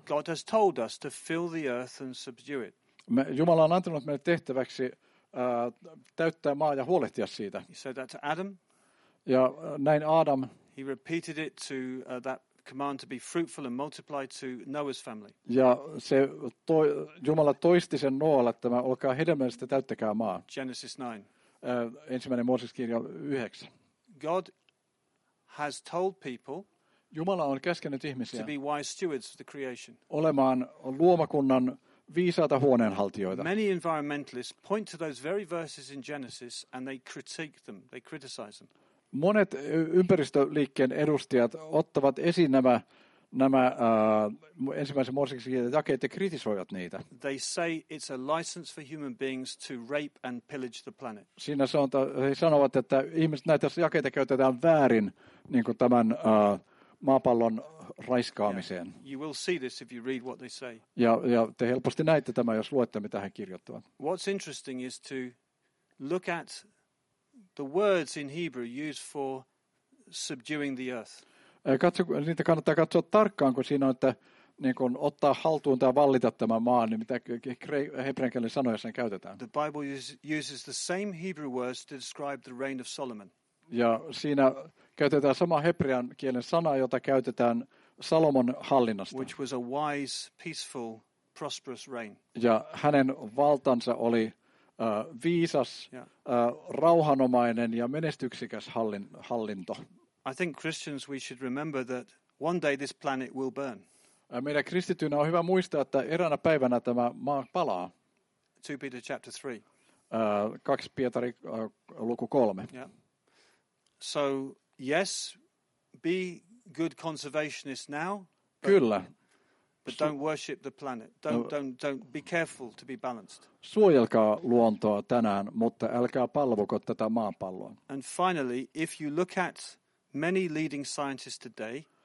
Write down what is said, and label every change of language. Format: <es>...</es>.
<en>God has told us to fill the earth and subdue it.</en> <fi>Jumala on antanut meille tehtäväksi täyttää maa ja huolehtia siitä.</fi> <en>He said that to Adam.</en> <fi>Ja näin Adam.</fi> <en>He repeated it to that command to be fruitful and multiply to Noah's family.</en> <fi>Ja se Jumala toisti sen Noalle, että olkaa hedelmällistä, täyttäkää maa.</fi> <en>Genesis 9.</en> <fi>Ensimmäinen Mooseskirja 9.</fi> <en>God has told people.</en> <fi>Jumala on käskenyt ihmisiä</fi> <en>to be wise stewards of the creation.</en> <fi>Olemaan luomakunnan viisaita huoneenhaltijoita.</fi> <en>Many environmentalists point to those very verses in Genesis and they critique them. They criticize them.</en> <fi>Monet ympäristöliikkeen edustajat ottavat esiin nämä ensimmäisen Mooseskirjan jakeet ja kritisoivat niitä.</fi> <en>They say it's a license for human beings to rape and pillage the planet.</en> <fi>Siinä he sanovat, että ihmiset näitä jakeita käytetään väärin, niin kuin tämän maapallon raiskaamiseen.</fi> <en>Yeah. You will see this if you read what they say.</en> <fi>Ja te helposti näette tämä, jos luette, mitä he kirjoittavat.</fi> <en>What's interesting is to look at the words in Hebrew used for subduing the earth.</en> <fi>Niitä kannattaa katsoa tarkkaan, kun siinä on, että niin kun ottaa haltuun tai vallita tämä maa, niin mitä hebreankielinen sanoja sen käytetään.</fi> <en>The Bible uses the same Hebrew words to describe the reign of Solomon.</en> <fi>Ja siinä käytetään sama hebrean kielen sana, jota käytetään Salomon hallinnasta.</fi> <en>Which was a wise, peaceful, prosperous reign.</en> <fi>Ja hänen valtansa oli viisas, rauhanomainen ja menestyksikäs hallinto.</fi> <en>I think Christians we should remember that one day this planet will burn.</en> <fi>Meidän kristityinä on hyvä muistaa, että eräänä päivänä tämä maa palaa.</fi> <en>2 Peter chapter 3.</en> <fi>2 Pietari luku 3.</fi> <en>Yeah. So yes, be good conservationist now.</en> <fi>Kyllä.</fi> <en>But don't worship the planet. Don't be careful to be balanced.</en> <fi>Suojelkaa luontoa tänään, mutta älkää palvoko tätä maapalloa.</fi> <en>And finally, if you look at many leading scientists today,</en>